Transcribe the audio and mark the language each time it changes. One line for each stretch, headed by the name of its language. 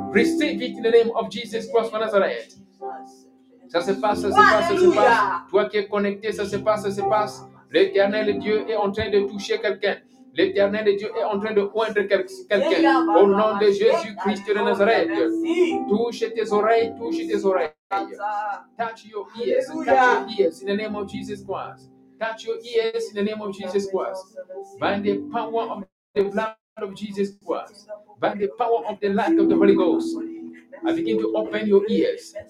English: Receive it in the name of Jesus Christ of Nazareth.
French: Ça se passe, ça se passe, ça se passe. Toi qui es connecté, ça se passe, ça se passe. L'Éternel Dieu est en train de toucher quelqu'un. L'Éternel Dieu est en train de oindre quelqu'un. Au nom de Jésus Christ de Nazareth, touche tes oreilles, touche tes oreilles.
English: Touch your ears, touch your ears in the name of Jesus Christ. Touch your ears in the name of Jesus Christ. By the power of the blood of Jesus Christ, by the power of the light of the Holy Ghost, I begin to open your ears.